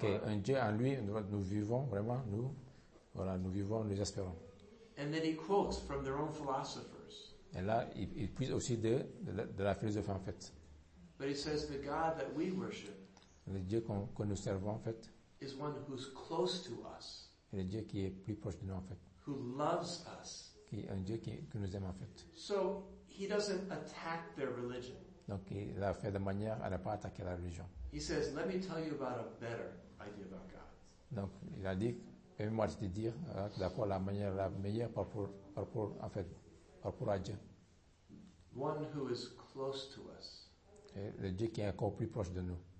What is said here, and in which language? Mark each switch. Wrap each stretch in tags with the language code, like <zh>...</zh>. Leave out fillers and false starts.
<en>being.</en> <fr>Okay. Un Dieu en lui, nous vivons vraiment, nous Voilà, nous vivons, nous espérons.</fr> <en>And then he quotes from their own philosophers.</en> <fr>Et là, il puise aussi de la philosophie en fait.</fr> <en>But he says the God that we worship.</en> <fr>Le Dieu que nous servons en fait.</fr> <en>Is one who's close to us.</en> <fr>Et le Dieu qui est plus proche de nous en fait.</fr> <en>Who loves us.</en> <fr>Qui est un Dieu qui nous aime en fait.</fr> <en>So he doesn't attack their religion.</en> <fr>Donc il l'a fait de manière à ne pas attaquer la religion.</fr> <en>He says, let me tell you about a better idea about God.</en> <fr>Donc il a dit, permets-moi de te dire d'accord la manière la meilleure pour en fait pour à Dieu.</fr> <en>One who is close to us.</en> <fr>Et le Dieu qui est encore plus proche de nous.</fr>